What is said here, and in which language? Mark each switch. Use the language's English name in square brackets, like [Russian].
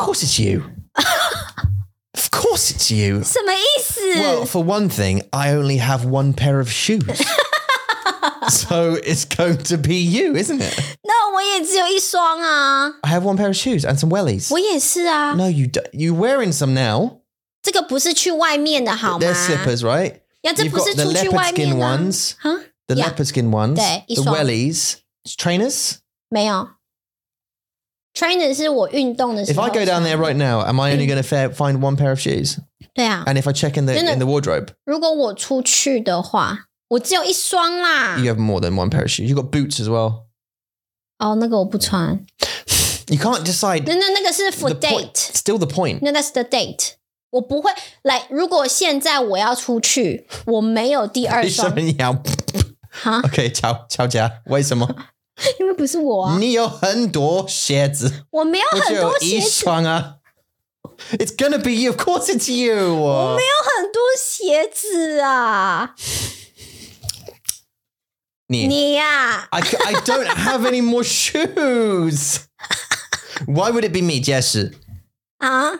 [English] Of course it's you. Of course it's you. [Chinese] 什么意思? [English] Well, for one thing, I only have one pair of shoes. So it's going to be you, isn't it? [Chinese] No, 我也只有一双啊. [English] I have one pair of shoes and some wellies. [Chinese] 我也是啊. [English] No, you're wearing some now. [Chinese] 这个不是去外面的好吗? [English] They're slippers, right? [Chinese] Yeah, 这不是出去外面的. [English] You've got the leopard skin ones. Huh? The yeah. leopard skin ones. [Chinese] 对, [English] the wellies. Trainers? [Chinese] 没有.Trainers是我运动的时候. [English] If I go down there right now, am I only going to find one pair of shoes? [Chinese] 对啊. [English] And if I check in the wardrobe? [Chinese] 如果我出去的话, 我只有一双啦. [English] You have more than one pair of shoes. You've got boots as well. [Chinese] Oh, 那个我不穿. [English] You can't decide. No, [Chinese] 那个是 [English] for date. Point, still the point. No, that's the date. [Chinese] 我不会, like, 如果现在我要出去, 我没有第二双. 你什么鸟? Huh? Okay, 乔家, 为什么? 因为不是我。你有很多鞋子。我没有很多鞋子。我只有一双啊。 [English] It's gonna be you, of course it's you. [Chinese] 我没有很多鞋子啊。你。你啊。 [English] I don't have any more shoes. Why would it be me, Jess? 啊?